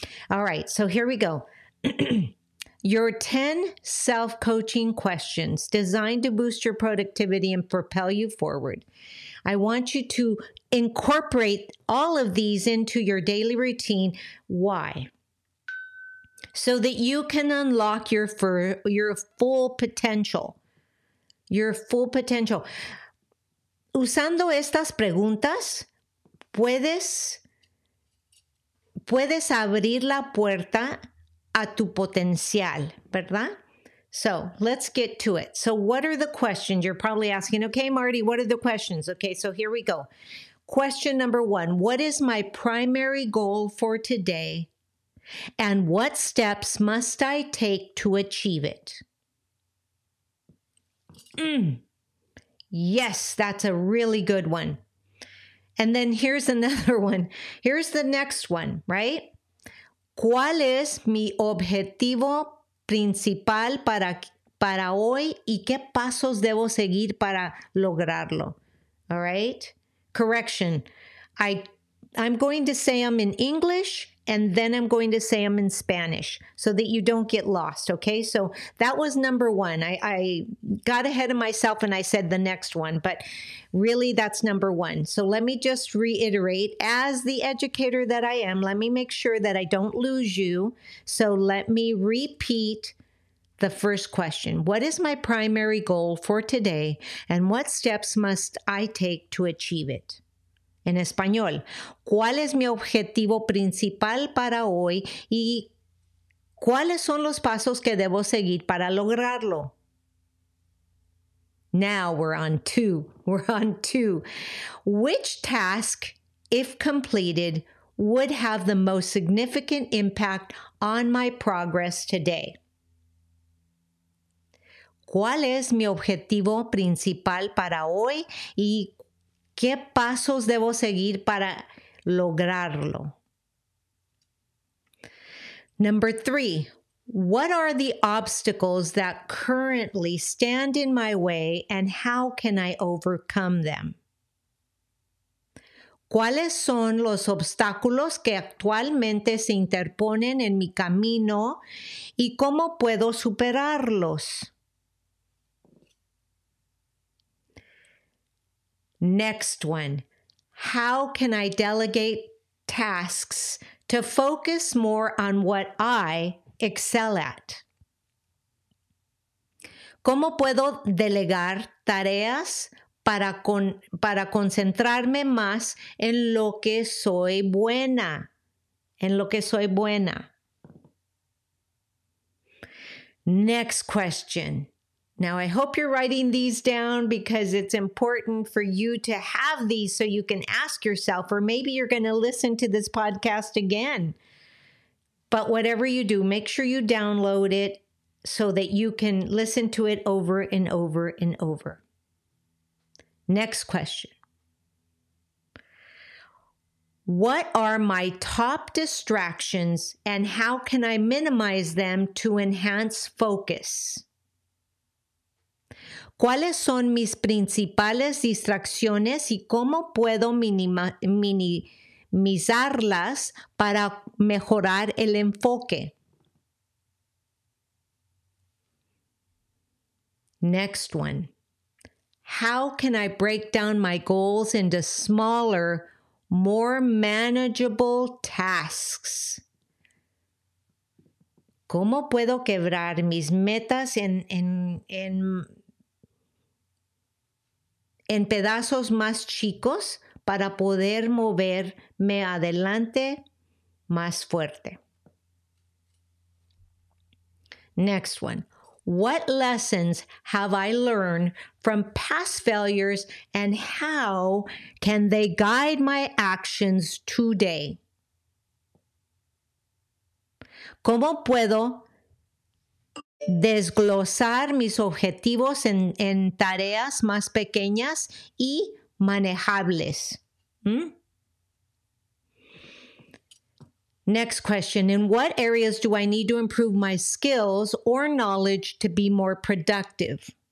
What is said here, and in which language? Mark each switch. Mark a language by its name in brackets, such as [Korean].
[English] All right, so here we go. Your 10 self-coaching questions designed to boost your productivity and propel you forward. I want you to incorporate all of these into your daily routine. Why? So that you can unlock your full potential. Your full potential. [Spanish] Usando estas preguntas, puedes abrir la puerta a tu potencial, ¿verdad? [English] So, let's get to it. So, what are the questions? You're probably asking, okay, Marty, what are the questions? Okay, so here we go. Question number one, what is my primary goal for today? And what steps must I take to achieve it? Yes, that's a really good one. And then here's another one. Here's the next one, right? [Spanish] ¿Cuál es mi objetivo principal para hoy y qué pasos debo seguir para lograrlo? [English] All right? Correction. I'm going to say them in English and then I'm going to say them in Spanish so that you don't get lost, okay? So that was number one. I got ahead of myself and I said the next one, but really that's number one. So let me just reiterate, as the educator that I am, let me make sure that I don't lose you. So let me repeat the first question. What is my primary goal for today and what steps must I take to achieve it? [Spanish] En español, ¿cuál es mi objetivo principal para hoy y cuáles son los pasos que debo seguir para lograrlo? [English] Now we're on two. Which task, if completed, would have the most significant impact on my progress today? [Spanish] ¿Cuál es mi objetivo principal para hoy y qué pasos debo seguir para lograrlo? [English] Number three, what are the obstacles that currently stand in my way and how can I overcome them? [Spanish] ¿Cuáles son los obstáculos que actualmente se interponen en mi camino y cómo puedo superarlos? [English] Next one, how can I delegate tasks to focus more on what I excel at? [Spanish] ¿Cómo puedo delegar tareas para concentrarme más en lo que soy buena? En lo que soy buena. [English] Next question. Now, I hope you're writing these down because it's important for you to have these so you can ask yourself, or maybe you're going to listen to this podcast again. But whatever you do, make sure you download it so that you can listen to it over and over and over. Next question. What are my top distractions and how can I minimize them to enhance focus? [Spanish] ¿Cuáles son mis principales distracciones y cómo puedo minimizarlas para mejorar el enfoque? [English] Next one. How can I break down my goals into smaller, more manageable tasks? [Spanish] ¿Cómo puedo quebrar mis metas en pedazos más chicos para poder moverme adelante más fuerte? [English] Next one. What lessons have I learned from past failures and how can they guide my actions today? [Spanish] ¿Cómo puedo desglosar mis objetivos en tareas más pequeñas y manejables. ¿Mm? [English] Next question. In what areas do I need to improve my skills or knowledge to be more productive?